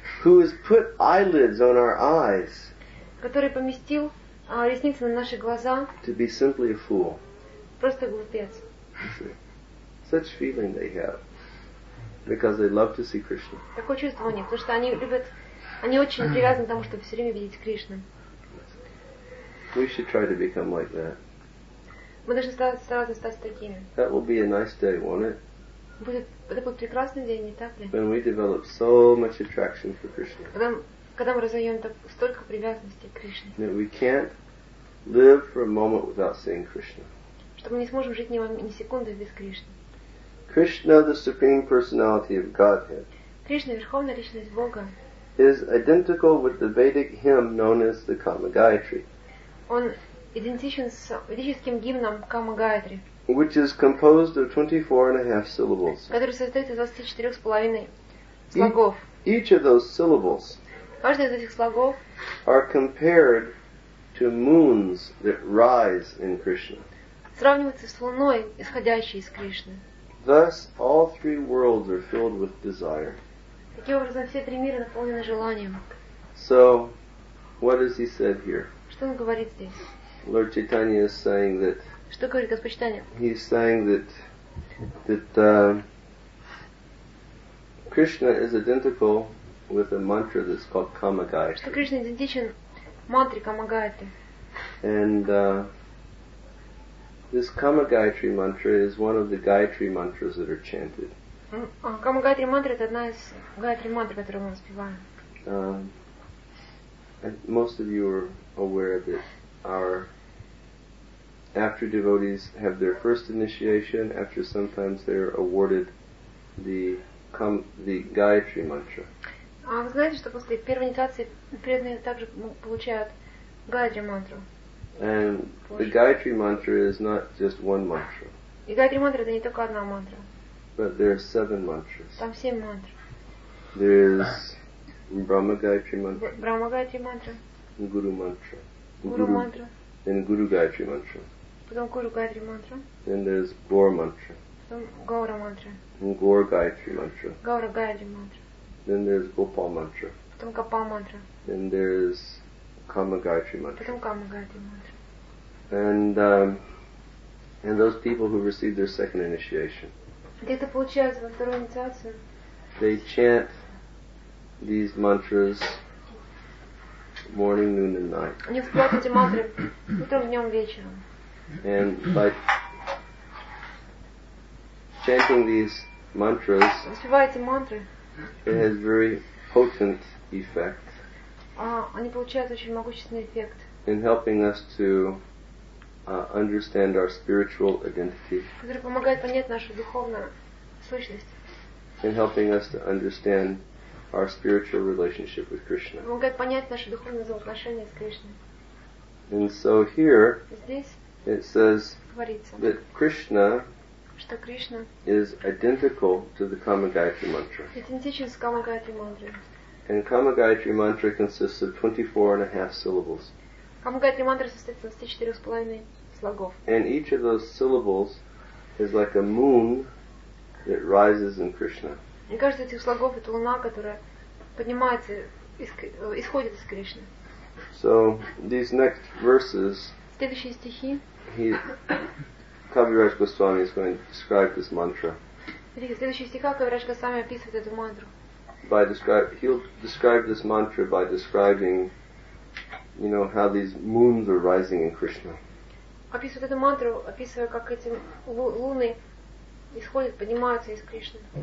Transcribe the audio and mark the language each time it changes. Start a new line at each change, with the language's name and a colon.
English: who has put eyelids on our eyes,
Russian: который поместил ресницы на наши глаза,
English: to be simply a fool.
Russian: Просто глупец.
English: Such feeling they have, because they love to see Krishna.
Russian: Такое чувство у них, потому что они любят, они очень привязаны к тому, чтобы все время видеть Кришну.
English: We should try to become like that.
Russian: Мы должны стараться стать такими.
English: That will be a nice day, won't it?
Russian: Это будет прекрасный день, не так ли?
English: When we develop so much attraction for Krishna.
Russian: Когда мы развиваем столько привязанности к Кришне.
English: That we can't live for a moment without seeing Krishna.
Russian: Что мы не сможем жить ни секунды без Кришны.
English: Krishna, the supreme personality of Godhead.
Russian: Кришна, верховная личность Бога.
English: Is identical with the Vedic hymn known as the Kama Gayatri.
Russian: Он идентичен с ведическим гимном Кама Гаятри.
English: Which is composed of 24.5 syllables.
Russian: Который состоит из 24.5 слогов.
English: Each of those syllables.
Russian: Каждый из этих слогов.
English: Are compared to moons that rise in Krishna.
Russian: Сравнивается с луной, исходящей из Кришны.
English: Thus, all three worlds are filled with desire.
Russian: Таким образом, все три мира наполнены желанием.
English: So, what has he said here?
Russian: Что он говорит здесь?
English: Lord Chaitanya is saying that.
Russian: Что говорит Господь Чайтанья?
English: He's saying that Krishna is identical with a mantra that's called Kama Gayatri.
Russian: Что Кришна идентичен мантре Кама Гайатри.
English: And this Kama Gayatri mantra is one of the Gayatri mantras that are chanted.
Russian: Kama Gayatri mantra — это одна из Гайатри мантр, которую мы воспеваем.
English: Most of you are aware that our after devotees have their first initiation, after sometimes they are awarded the Gayatri mantra.
Russian: Вы знаете, что после первой инициации преданные также получают Гайатри мантру.
English: And the Gayatri mantra is not just one mantra.
Russian: И Гайатри мантра — это не только одна мантра.
English: But there are seven mantras.
Russian: Там семь мантр.
English: There is Brahma Gayatri mantra. Brahma Gayatri mantra. Guru mantra. Guru mantra. Then Guru Gayatri mantra.
Russian: Потом Guru Gayatri mantra.
English: Then there's Gaura mantra.
Russian: Потом Gaura mantra.
English: Gaura Gayatri mantra. Gaura Gayatri mantra. Then there's Gopal mantra.
Russian: Потом Gopal mantra.
English: Then there's Kama Gayatri mantra.
Russian: Потом Kama Gayatri mantra.
English: And those people who receive their second initiation.
Russian: Где-то получается во вторую инициацию.
English: They chant these mantras morning, noon, and night.
Russian: Они вспевают эти мантры утром, днем, вечером.
English: And by chanting these mantras,
Russian: вспевают эти мантры,
English: it has very potent effect.
Russian: Они получают очень могущественный эффект.
English: In helping us to understand our spiritual identity.
Russian: Которые помогают понять нашу духовную сущность.
English: In helping us to understand our spiritual relationship with Krishna.
Russian: Помогает понять наши духовные взаимоотношения с Кришной.
English: And so here,
Russian: здесь
English: it says,
Russian: говорится,
English: that Krishna,
Russian: что Кришна,
English: is identical to the Kama Gayatri mantra.
Russian: Идентичен с Kama Gayatri mantra.
English: And Kama Gayatri mantra consists of 24.5 syllables.
Russian: Kama Gayatri mantra состоит из 24.5 слогов.
English: And each of those syllables is like a moon that rises in Krishna.
Russian: И каждый из этих слогов — это луна, которая поднимается, исходит из Кришны.
English: So, these next verses,
Russian: следующие стихи,
English: Кавирадж Госвами is going to describe this mantra.
Russian: В следующих стихах Кавирадж Госвами описывает эту мантру.
English: He'll describe this mantra by describing, you know, how these moons are rising in Krishna.
Russian: Описывает эту мантру, описывая, как эти луны исходят, поднимаются из Кришны.